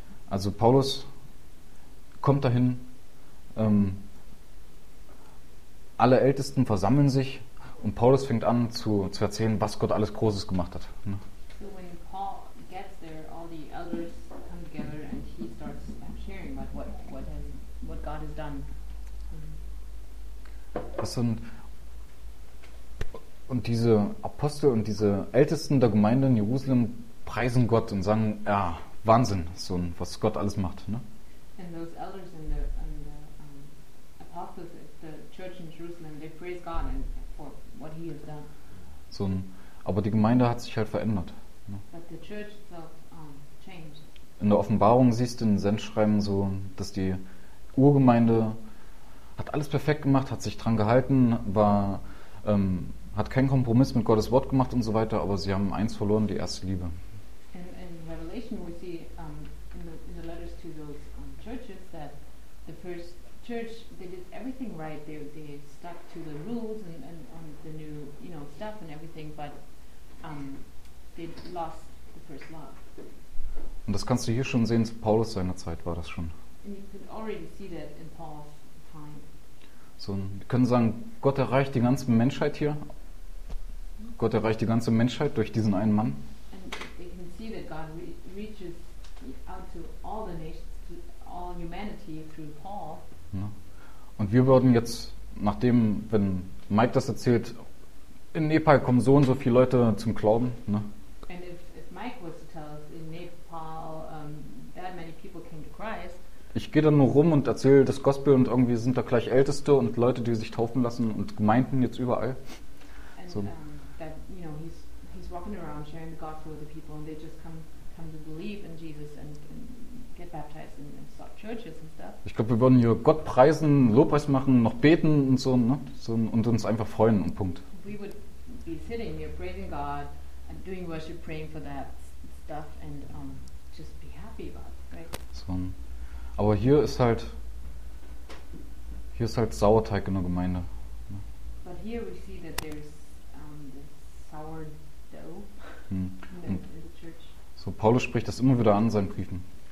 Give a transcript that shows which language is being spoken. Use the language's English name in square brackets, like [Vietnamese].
[German] Also Paulus kommt dahin, alle Ältesten versammeln sich. Und Paulus fängt an zu erzählen, was Gott alles Großes gemacht hat. Ne? [English] So when Paul gets there, all the elders come together and he starts sharing about what God has done. [German] Und diese Apostel und diese Ältesten der Gemeinde in Jerusalem preisen Gott und sagen, ja, Wahnsinn, so was Gott alles macht. Ne? [English] And those elders and the apostles at the church in Jerusalem, they praise God and what he has done. [German] So, aber die Gemeinde hat sich halt verändert. Ne? [English] But the church itself, changed. [German] In der Offenbarung siehst du in den Sendschreiben so, dass die Urgemeinde hat alles perfekt gemacht, hat sich dran gehalten, war, hat keinen Kompromiss mit Gottes Wort gemacht und so weiter, aber sie haben eins verloren, die erste Liebe. [English] In Revelation we see in the letters to those churches that the first church, they did everything right, they stuck to the rules and on the new, you know, stuff and everything, but they lost the first love. [German] Und das kannst du hier schon sehen, zu Paulus seiner Zeit war das schon. [English] And you could already see that in Paul's time. [German] So, wir können sagen, Gott erreicht die ganze Menschheit hier. Gott erreicht die ganze Menschheit durch diesen einen Mann. [English] And you can see that God reaches out to all the nations, to all humanity through Paul. [German] Ja. Und wir würden jetzt, nachdem, wenn Mike das erzählt, in Nepal kommen so und so viele Leute zum Glauben, ne? [English] And if Mike was to tell us in Nepal that many people came to Christ. [German] Ich gehe dann nur rum und erzähle das Gospel und irgendwie sind da gleich Älteste und Leute, die sich taufen lassen und Gemeinden jetzt überall. [English] And so. That, you know, he's walking around sharing the gospel with the people and they just come to believe in Jesus and get baptized and start churches and stuff. [German] Ich glaube, wir würden hier Gott preisen, Lobpreis machen, noch beten und so, ne? So, und uns einfach freuen und Punkt. [English] We would be sitting here praising God and doing worship, praying for that stuff and just be happy about it, right? [German] So. Aber hier ist halt Sauerteig in der Gemeinde. [English] But here we see that there's this sourdough in the church. [German] So, Paulus spricht das immer wieder an in seinen Briefen.